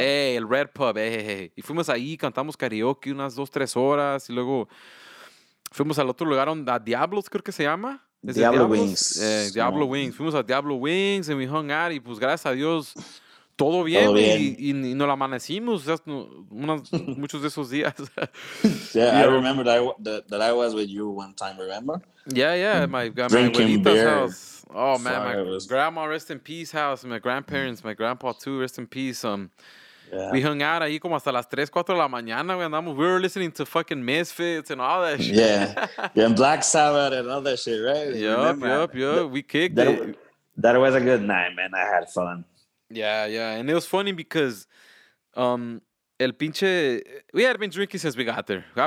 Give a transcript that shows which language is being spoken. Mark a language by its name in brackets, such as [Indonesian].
[Spanish] El Red Pub, Y fuimos ahí, cantamos karaoke unas 2-3 horas y luego fuimos al otro lugar, a Diablos creo que se llama. Diablo Wings. Wings. Fuimos a Diablo Wings y [English] we hung out [Spanish] y pues gracias a Dios, todo bien. Todo bien. Y nos la amanecimos, o sea, muchos de esos días. [English] Yeah, I remember that I was with you one time, remember? Yeah, my abuelita's house. Oh man, my grandma, rest in peace, house. My grandparents, my grandpa too, rest in peace. We hung out [Spanish] ahí como hasta las 3-4 de la mañana. [English] We were listening to fucking Misfits and all that shit. Yeah, and Black Sabbath and all that shit, right? Yup. We kicked it. That was a good night, man. I had fun. Yeah. And it was funny because we had been drinking since we got there.